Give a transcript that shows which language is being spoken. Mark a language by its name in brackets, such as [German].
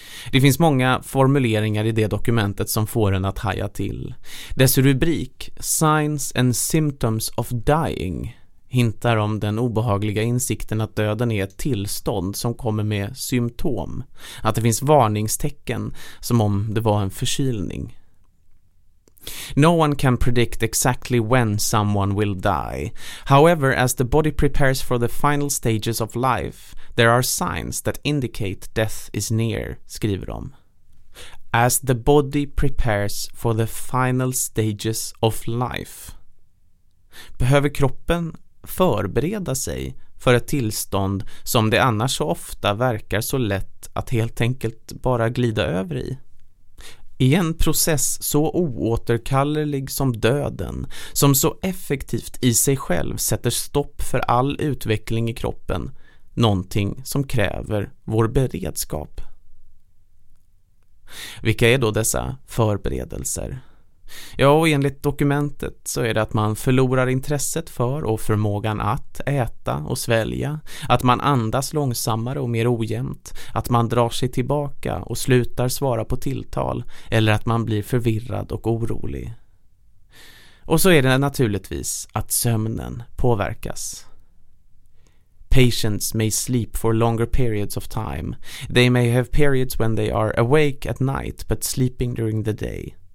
[Swedish] Det finns många formuleringar i det dokumentet som får en att haja till. Dess rubrik, [English] Signs and Symptoms of Dying, [Swedish] hintar om den obehagliga insikten att döden är ett tillstånd som kommer med symptom. Att det finns varningstecken, som om det var en förkylning. [English] No one can predict exactly when someone will die. However, as the body prepares for the final stages of life, there are signs that indicate death is near, [Swedish] skriver de. [English] As the body prepares for the final stages of life. [Swedish] Behöver kroppen förbereda sig för ett tillstånd som det annars så ofta verkar så lätt att helt enkelt bara glida över i? I en process så oåterkallerlig som döden, som så effektivt i sig själv sätter stopp för all utveckling i kroppen, någonting som kräver vår beredskap. Vilka är då dessa förberedelser? Ja, och enligt dokumentet så är det att man förlorar intresset för och förmågan att äta och svälja, att man andas långsammare och mer ojämnt, att man drar sig tillbaka och slutar svara på tilltal, eller att man blir förvirrad och orolig. Och så är det naturligtvis att sömnen påverkas. [English] Patients may sleep for longer periods of time. They may have periods when they are awake at night but sleeping during the day.